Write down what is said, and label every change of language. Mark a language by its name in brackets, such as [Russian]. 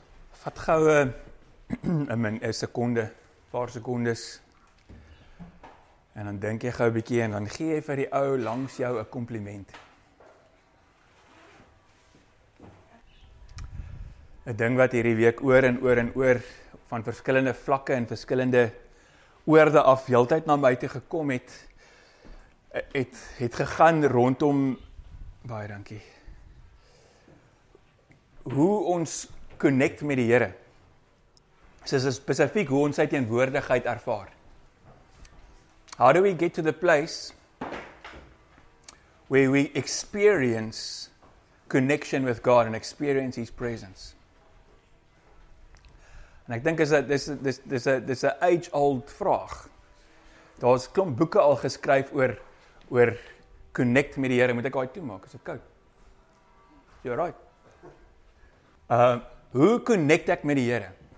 [Afrikaans] Vat gauw een seconde, een paar secondes. En dan denk jy gauw 'n bietjie en dan gee jy vir die ou langs jou 'n kompliment. Een ding wat hierdie week oor en oor en oor van verskillende vlakke en verskillende oorde af heeltyd na buite gekom het, het gegaan rondom, baie dankie, hoe ons connect met die Here. Soos spesifiek hoe ons sy teenwoordigheid ervaar. [English] How do we get to the place where we experience connection with God and experience His presence? [Afrikaans] En ek dink dis 'n age-old vraag. Daar's klomp boeke al geskryf oor connect met die Here. Moet ek daai toemaak? Is dit koud? [English] You're right. [Afrikaans] Hoe connect ek met die Here?